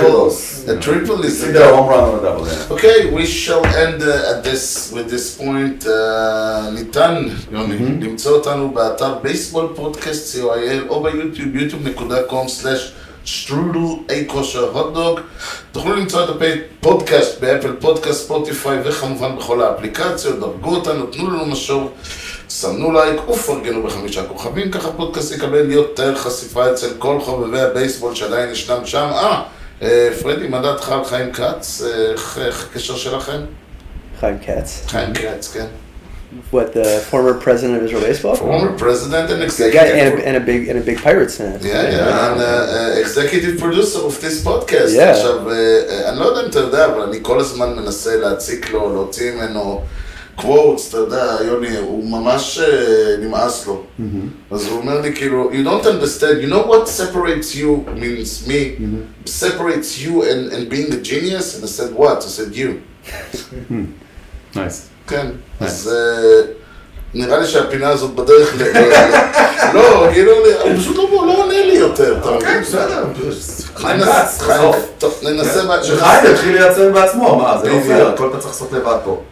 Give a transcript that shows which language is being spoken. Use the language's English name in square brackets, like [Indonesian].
[English] Triples. A triple is a double. Home run or a double, yeah. Okay, we shall end at this point. Nitan, [Hebrew] למצוא אותנו באתר [English] Baseball Podcast COIL [Hebrew] או ביוטיוב, [English] youtube.com/strudel-a-kosher-hotdog. [Hebrew] תוכלו למצוא את הפודקאסט באפל פודקאסט, ספוטיפיי וכמובן בכל האפליקציות. דרגו אותנו, תנו לנו משוב. סמנו לייק ופרגנו בחמישה כוכבים, ככה פודקאסט יקבל יותר חשיפה אצל כל חובבי הבייסבול שעדיין ישנם שם. פרדי, מה דעתך על חיים כץ? איך הקשר שלכם? חיים כץ, כן. [English] What, the former president of Israel Baseball? Former president and executive. Yeah, and a big Pirates fan. Yeah, yeah, yeah. And executive producer of this podcast. Yeah. [Hebrew] עכשיו, אני לא יודע אם אתה יודע, אבל אני כל הזמן מנסה להציק לו, להוציא ממנו, quotes, אתה יודע, יוני, הוא ממש נמאס לו. Mm-hmm. אז הוא אומר לי כאילו, [English] you don't understand, you know what separates you, means me, mm-hmm. separates you and being a genius? And I said, what? I said, you. Nice. [Hebrew] כן, [English] nice. [Hebrew] אז נראה לי שהפינה הזאת בדרך ל... לא, כאילו, הוא פשוט לא עונה לי יותר, אתה מבין? כן, בסדר. חיים כץ, טוב, ננסה מה... שחיים, תתחיל לייצר בעצמו, מה, זה לא פייר, הכל אתה צריך לעשות לבד פה.